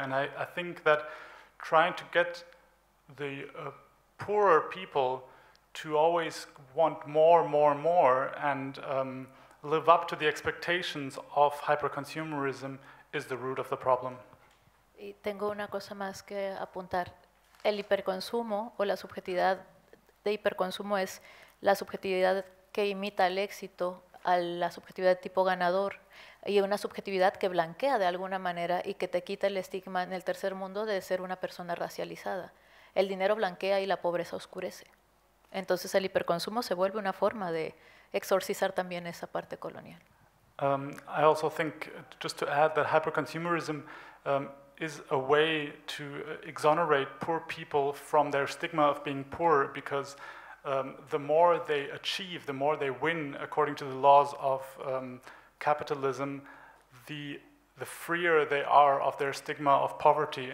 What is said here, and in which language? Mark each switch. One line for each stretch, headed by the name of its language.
English: And I think that trying to get the poorer people to always want more, more, more, and live up to the expectations of hyperconsumerism is the root of the problem.
Spanish: Y tengo una cosa más que apuntar. El hiperconsumo o la subjetividad de hiperconsumo es la subjetividad que imita el éxito a la subjetividad tipo ganador y una subjetividad que blanquea de alguna manera y que te quita el estigma en el tercer mundo de ser una persona racializada. El dinero blanquea y la pobreza oscurece. Entonces el hiperconsumo se vuelve una forma de exorcizar también esa parte colonial.
English: I also think, just to add, that hyperconsumerism is a way to exonerate poor people from their stigma of being poor, because the more they achieve, the more they win according to the laws of capitalism, the freer they are of their stigma of poverty.